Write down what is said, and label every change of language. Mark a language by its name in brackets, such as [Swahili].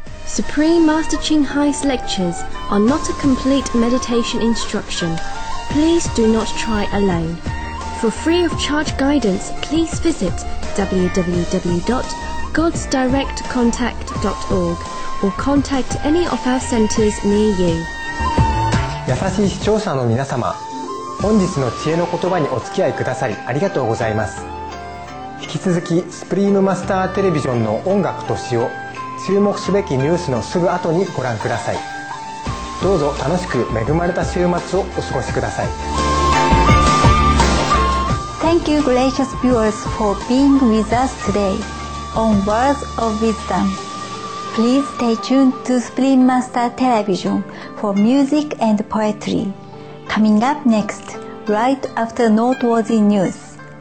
[English] Supreme Master Ching Hai's lectures are not a complete meditation instruction. Please do not try alone. For free of charge guidance, please visit www.godsdirectcontact.org or contact any of our centers near you. [Japanese] 優しい視聴者の皆様、本日の知恵の言葉にお付き合いくださりありがとうございます。引き続きスプリームマスターテレビジョンの音楽と詩を注目すべきニュースのすぐ後にご覧ください。どうぞ楽しく恵まれた週末をお過ごしください。 [English] Thank you gracious viewers for being with us today on Words of Wisdom. Please stay tuned to Supreme Master Television for music and poetry coming up next right after noteworthy news.